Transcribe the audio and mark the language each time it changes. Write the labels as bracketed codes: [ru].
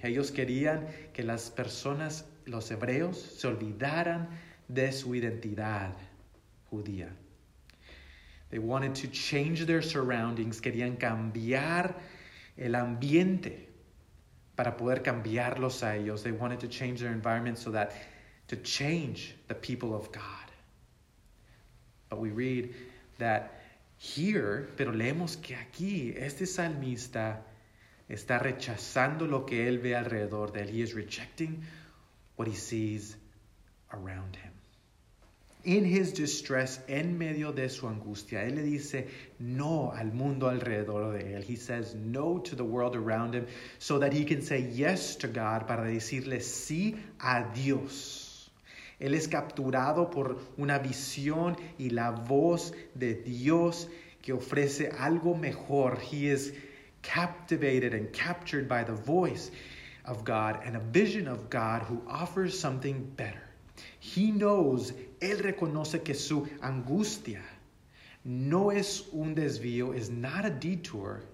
[es] Ellos querían que las personas, los hebreos, se olvidaran de su identidad judía. [en] They wanted to change their surroundings. [es] Querían cambiar el ambiente para poder cambiarlos a ellos. [en] They wanted to change their environment so that to change the people of God. But we read that here, [es] pero leemos que aquí, este salmista está rechazando lo que él ve alrededor de él. [en] He is rejecting what he sees around him. In his distress, [es] en medio de su angustia, él le dice no al mundo alrededor de él. [en] He says no to the world around him so that he can say yes to God, [es] para decirle sí a Dios. Él es capturado por una visión y la voz de Dios que ofrece algo mejor. [en] He is captivated and captured by the voice of God and a vision of God who offers something better. He knows, [es] él reconoce que su angustia no es un desvío, [en] is not a detour.